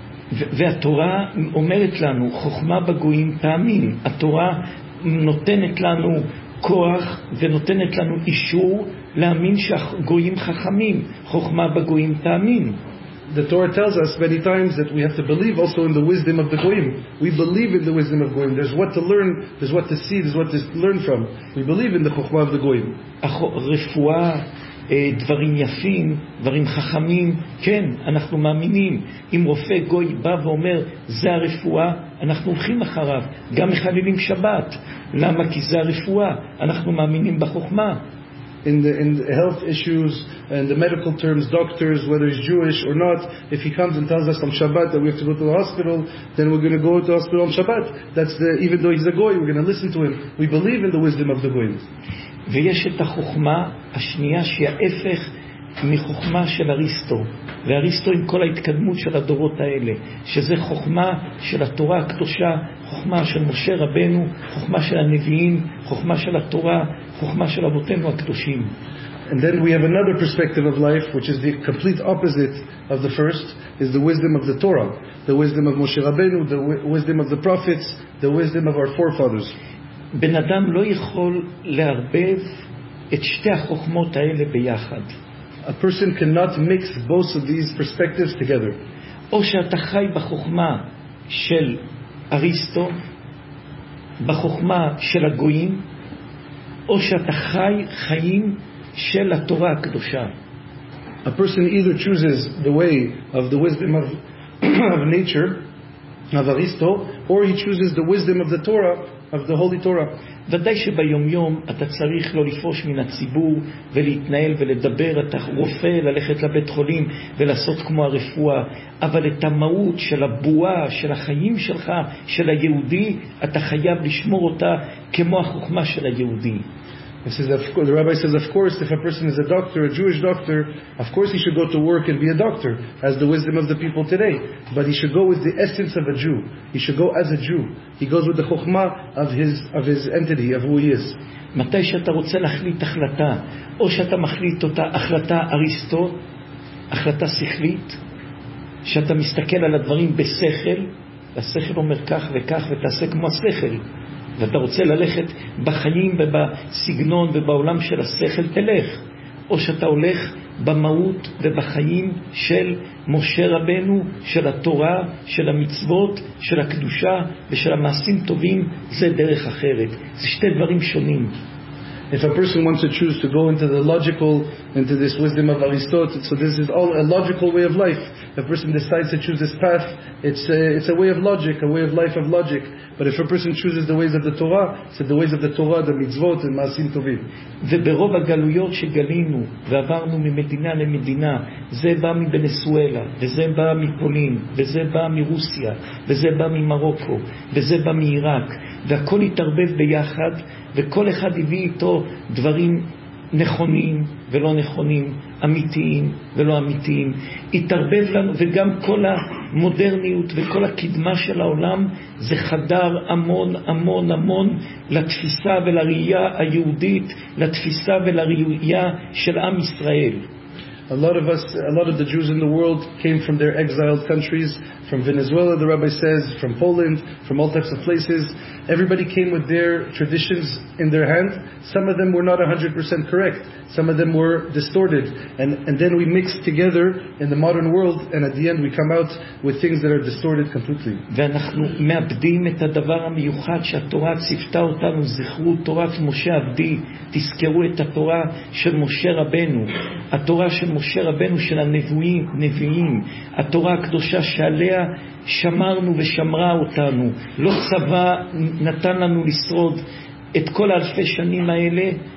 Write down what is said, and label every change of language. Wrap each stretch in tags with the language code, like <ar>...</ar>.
<he>והתורה אומרת לנו, חוכמה בגויים פעמים, התורה נותנת לנו כוח ונותנת לנו אישור להאמין שגויים חכמים, חוכמה בגויים תאמין.</he> <en>The Torah tells us many times that we have to believe also in the wisdom of the goyim. We believe in the wisdom of goyim. There's what to learn, there's what to see, there's what to learn from. We believe in the chokhmah of the goyim.</en> <he>רפואה, דברים יפים, דברים חכמים, כן, אנחנו מאמינים. אם רופא גוי בא ואומר זה הרפואה, אנחנו הולכים אחריו. גם מחללים שבת, למה? כי זה הרפואה. אנחנו מאמינים בחוכמה.</he> <en>in the health issues and the medical terms, doctors, whether he's Jewish or not, if he comes and tells us on Shabbat that we have to go to the hospital, then we're going to go to the hospital on Shabbat. That's the, even though he's a goy, we're going to listen to him. We believe in the wisdom of the goyim.</en> <he>ויש את החוכמה השנייה שהיא ההפך מחוכמה של אריסטו, ואריסטו עם כל ההתקדמות של הדורות האלה, שזה חוכמה של התורה הקדושה, חוכמה של משה רבנו, חוכמה של הנביאים, חוכמה של התורה, חוכמה של אבותינו הקדושים.</he> <en>And then we have another perspective of life, which is the complete opposite of the first, is the wisdom of the Torah, the wisdom of Moshe Rabbeinu, the wisdom of the prophets, the wisdom of our forefathers.</en> <he>בן אדם לא יכול להרבב את שתי החוכמות האלה ביחד.</he> <en>A person cannot mix both of these perspectives together.</en> <he>או שאתה חי בחוכמה של אריסטו, בחוכמה של הגויים, או שאתה חי חיים של התורה הקדושה.</he> <en>A person either chooses the way of the wisdom of, of nature, of Aristo, or he chooses the wisdom of the Torah, of the Holy Torah.</en> <he>ודאי שביום יום אתה צריך לא לפרוש מן הציבור ולהתנהל ולדבר, אתה רופא, ללכת לבית חולים ולעשות כמו הרפואה, אבל את המהות של הבועה של החיים שלך, של היהודי, אתה חייב לשמור אותה כמו החוכמה של היהודי.</he> <en>The rabbi says, of course, if a person is a doctor, a Jewish doctor, of course he should go to work and be a doctor, as the wisdom of the people today. But he should go with the essence of a Jew. He should go as a Jew. He goes with the chokhmah of his entity, of who he is.</en> <he>מתי שאתה רוצה להחליט החלטה, או שאתה מחליט אותה החלטה אריסטו, החלטה שכלית, שאתה מסתכל על הדברים בשכל, והשכל אומר כך וכך ותעשה כמו השכל. ואתה רוצה ללכת בחיים ובסגנון ובעולם של השכל, תלך. או שאתה הולך במהות ובחיים של משה רבנו, של התורה, של המצוות, של הקדושה ושל המעשים טובים, זה דרך אחרת. זה שתי דברים שונים.</he> <en>If a person wants to choose to go into the logical, into this wisdom of Aristotle, so this is all a logical way of life. If a person decides to choose this path, it's a way of logic, a way of life of logic. But if a person chooses the ways of the Torah, it's the ways of the Torah, the mitzvot, and ma'asim tovim.</en> <he>וברוב הגלויות שגלינו ועברנו ממדינה למדינה, זה בא מבנסואלה, וזה בא מפולין, וזה בא מרוסיה, וזה בא ממרוקו, וזה בא מעיראק, והכל התערבב ביחד, וכל אחד הביא איתו דברים נכונים ולא נכונים, אמיתיים ולא אמיתיים, התערבב לנו, וגם כל המודרניות וכל הקדמה של העולם, זה חדר המון המון המון לתפיסה ולראייה היהודית, לתפיסה ולראייה של עם ישראל.</he> <en>A lot of the Jews in the world came from their exiled countries, from Venezuela, the rabbi says, from Poland, from all types of places. Everybody came with their traditions in their hand. Some of them were not 100% correct. Some of them were distorted. And then we mix together in the modern world, and at the end we come out with things that are distorted completely.</en> <he>ואנחנו מאבדים את הדבר המיוחד שהתורה צפתה אותנו, זכרו תורת משה עבדי, תזכרו את התורה של משה רבנו, התורה של משה רבנו, של הנביאים, נביאים, התורה הקדושה שעליה שמרנו ושמרה אותנו, לא צבא נתן לנו לשרוד את כל אלפי שנים האלה,</he>